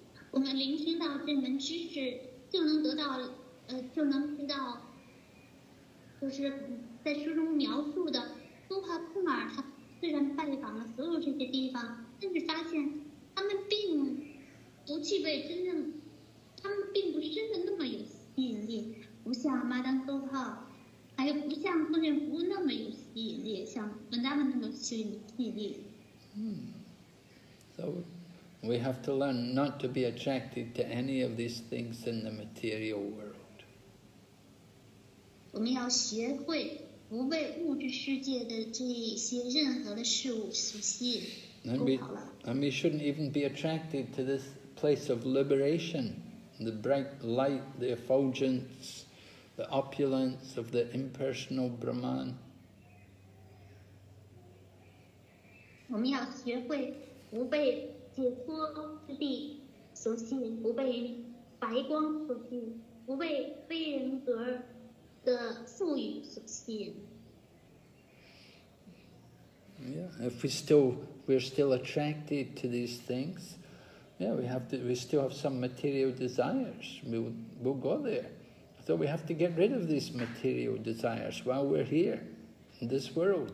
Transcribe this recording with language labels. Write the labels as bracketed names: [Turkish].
[Chinese] 我们聆听到这门知识，就能得到，就能知道，就是在书中描述的，多帕库马他虽然拜访了所有这些地方，但是发现他们并不具备真正，他们并不是真的那么有吸引力，不像马丹多帕，还有不像奉献服务那么有吸引力，像文达文那么吸引力。 [English] So we have to learn not to be attracted to any of these things in the material world. [Chinese] 我们要学会不被物质世界的这些任何的事物所吸引， [English] And [Chinese] 够好了。 [English] we shouldn't even be attracted to this place of liberation, the bright light, the effulgence, the opulence of the impersonal Brahman. [Chinese] 我们要学会不被解脱之地所吸引，不被白光所吸引，不被非人格的术语所吸引。 [English] Yeah, if we're still attracted to these things, yeah, we still have some material desires. We'll go there. So we have to get rid of these material desires while we're here in this world.